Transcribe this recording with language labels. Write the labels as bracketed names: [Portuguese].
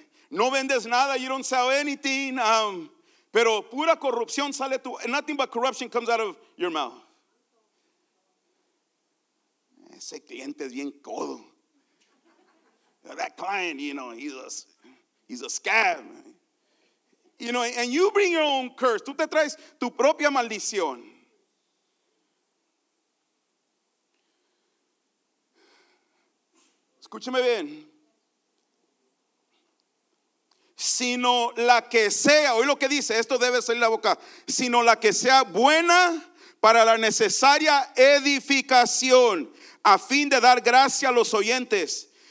[Spanish] No vendes nada, [English] you don't sell anything, [Spanish] pero pura corrupción sale tu, [English] nothing but corruption comes out of your mouth. [Spanish] Ese cliente es bien codo. [English] That client, you know, he's a scam. You know, and you bring your own curse. [Spanish] Tú te traes tu propia maldición. Escúchame bien. Sino la que sea, oye lo que dice, esto debe salir la boca, sino la que sea buena para la necesaria edificación a fin de dar gracia a los oyentes.